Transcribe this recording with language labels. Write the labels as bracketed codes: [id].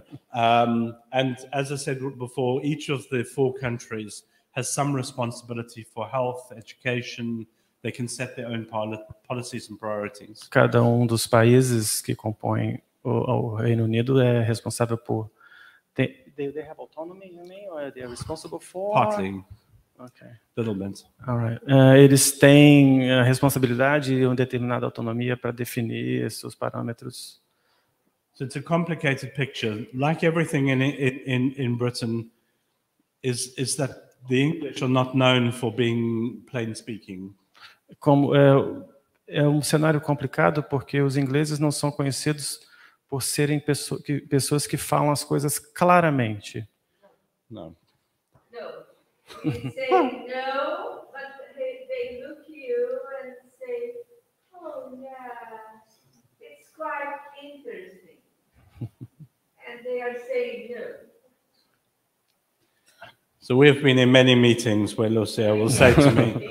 [en] And as I said before, each of the 4 countries has some responsibility for health, education. They can set their own policies and priorities. [pt] Cada um dos países que compõem o Reino Unido é responsável por. [en] They have autonomy, you mean, or they are responsible for? Partly. Okay. A little bit. All right. [pt] Eles têm a responsabilidade e uma determinada autonomia para definir seus parâmetros. [en] So it's a complicated picture. Like everything in Britain, is that the English are not known for being plain speaking. [pt] Como é um cenário complicado porque os ingleses não são conhecidos por serem pessoas que falam as coisas claramente. Não. Não. [en] They say no, but they look you and say, oh yeah, it's quite interesting. And they are saying no. So we have been in many meetings where Lucia will say to me,